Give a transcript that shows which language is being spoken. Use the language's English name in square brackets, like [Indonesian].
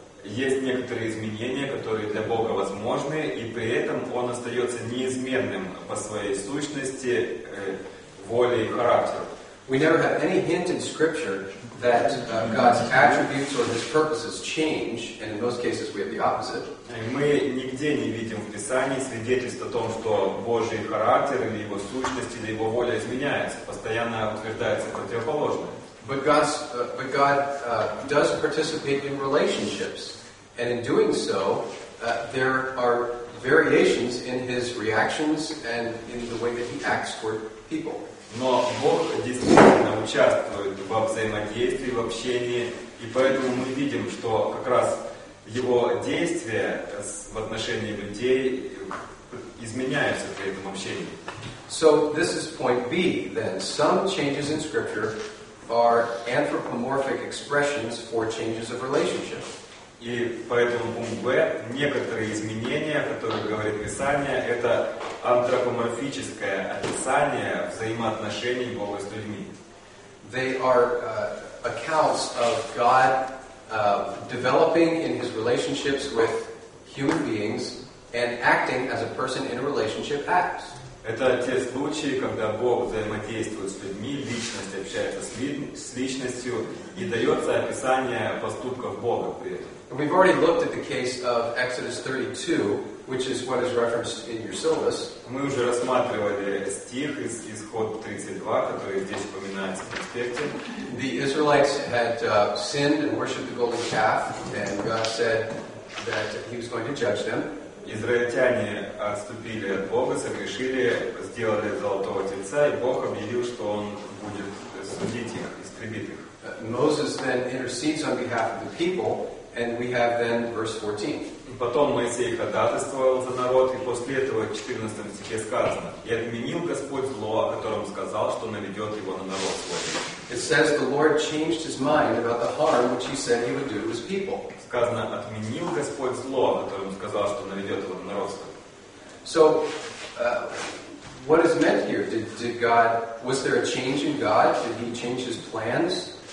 [Russian] Есть некоторые изменения, которые для Бога возможны, и при этом он остается неизменным по своей сущности, воле и характеру. [English] We never have any hint in scripture that God's attributes or his purposes change, and in most cases we have the opposite. [Russian] Мы нигде не видим в Писании свидетельств о том, что Божий характер или его сущность или его воля изменяется, постоянно утверждается противоположное. [English] But God does participate in relationships, and in doing so, there are variations in his reactions and in the way that he acts toward people. [Russian] Но Бог действительно участвует во взаимодействии, в общении, и поэтому мы видим, что как раз его действия в отношении людей изменяются при этом общении. [English] So this is point B, then. Some changes in scripture are anthropomorphic expressions for changes of relationship. [Russian] И поэтому пункт Б, некоторые изменения, которые говорит Писание, это антропоморфическое описание взаимоотношений Бога с людьми. [English] They are accounts of God developing in his relationships with human beings and acting as a person in a relationship acts. [Russian] Это те случаи, когда Бог взаимодействует с людьми, личность общается с личностью и дается описание поступков Бога при этом. [English] We've already looked at the case of Exodus 32, which is what is referenced in your syllabus. [Russian] Мы уже рассматривали стих из Исход 32, который здесь упоминается в конспекте. [English] The Israelites had sinned and worshipped the golden calf, and God said that he was going to judge them. [Russian] Израильтяне отступили от Бога, согрешили, сделали золотого тельца, и Бог объявил, что он будет судить их, истребить их. [English] Moses then intercedes on behalf of the people. And we have then verse 14. [Russian] Потом Моисей ходатайствовал за народ, и после этого в 14 стихе сказано: «И отменил Господь зло, о котором сказал, что наведет его на народ свой». [English] It says the Lord changed his mind about the harm which he said he would do to his people. [Russian] Сказано: «Отменил Господь зло, о котором сказал, что наведет его на народ свой». [English] So, what is meant here? Did God? Was there a change in God? Did he change his plans?